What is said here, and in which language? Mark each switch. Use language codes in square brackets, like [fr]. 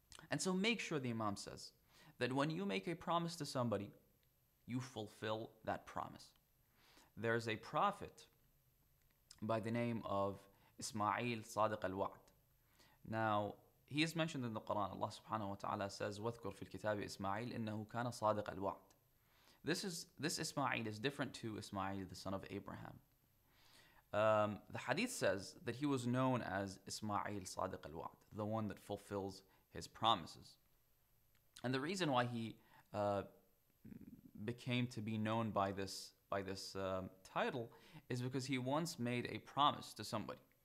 [en] And so make sure, the Imam says, that when you make a promise to somebody, you fulfill that promise. There's a prophet by the name of Ismail Sadiq al-Wa'd. Now, he is mentioned in the Quran. Allah subhanahu wa ta'ala says, [ar] وَذْكُرْ فِي الْكِتَابِ إِسْمَعِيلِ إِنَّهُ كَانَ صَادِقَ الْوَعْدِ. [en] This Ismail is different to Ismail, the son of Abraham. The hadith says that he was known as Ismail Sadiq al-Wa'd, the one that fulfills his promises. And the reason why he became to be known by this title is because he once made a promise to somebody.